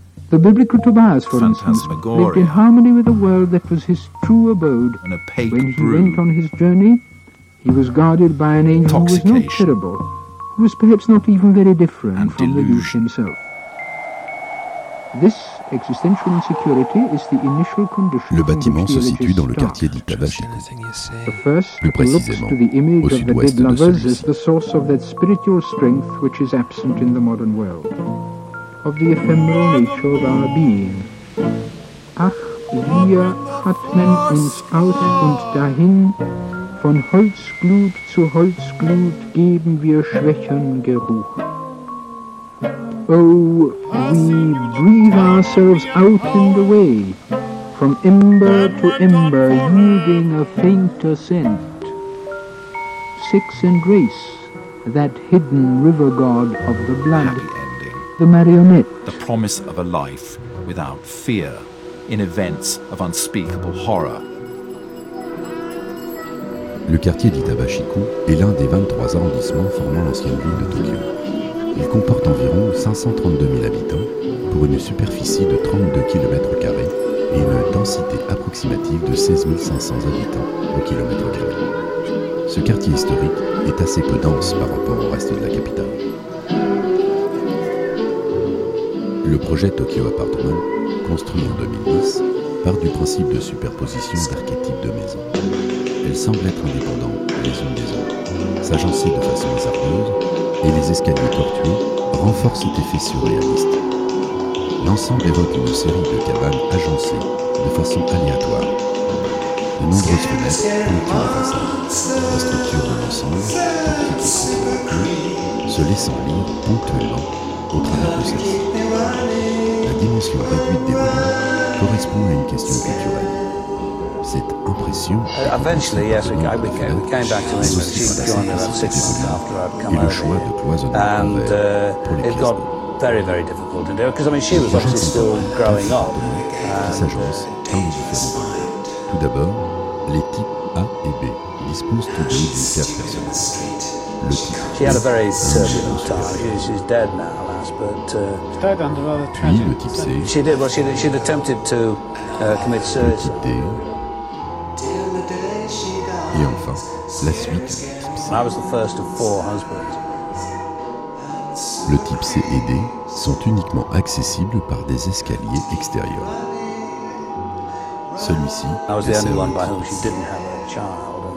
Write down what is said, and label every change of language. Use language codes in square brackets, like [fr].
[en] The biblical Tobias, for instance, lived in harmony with a world that was his true abode. An opaque when he brew. Went on his journey, he was guarded by an angel who was not terrible, who was perhaps not even very different and from delusion. The youth himself. This existential insecurity is the initial condition. [fr] Le bâtiment se situe dans le quartier d'Itabashiku, plus précisément au sud-ouest de celui-ci. [en] Is the source of that spiritual strength which is absent in the modern world, of the ephemeral nature of our being. [de] Ach, wir atmen uns aus und dahin, von Holzglut zu Holzglut geben wir schwächern Geruch. [en] Oh, we breathe ourselves out in the way, from ember to ember, yielding a fainter scent. Sex and race, that hidden river god of the blood. The marionette. The promise of a life without fear in events of unspeakable horror. [fr] Le quartier d'Itabashiku est l'un des 23 arrondissements formant l'ancienne ville de Tokyo. Il comporte environ 532 000 habitants pour une superficie de 32 km² et une densité approximative de 16 500 habitants au km². Ce quartier historique est assez peu dense par rapport au reste de la capitale. Le projet Tokyo Apartment, construit en 2010, part du principe de superposition d'archétypes de maisons. Elles semblent être indépendantes les unes des autres, s'agencer de façon hasardeuse, et les escaliers tortueux renforcent cet effet surréaliste. L'ensemble évoque une série de cabanes agencées de façon aléatoire. De nombreuses fenêtres ponctuent la façade, la structure de l'ensemble, se laissant lire ponctuellement au travers de celle-ci. La dimension réduite des volumes correspond à une question culturelle. Cette impression. [en] Eventually, yes, we came back to England. She joined us 6 months after I'd come over here. And it got very, very difficult to do, because, I mean, she was obviously still growing up. [fr] Tout d'abord, les types A et B disposent tous deux d'une carte personnelle. [en] She had a very turbulent time. She's dead now, alas, but. Dead under rather tragic. She did, well, she'd attempted to commit suicide. [fr] Et enfin, la suite. [en] I was the first of four husbands. [fr] Le type C et D sont uniquement accessibles par des escaliers extérieurs. Celui-ci. [en] I was the only one by whom she didn't have a child.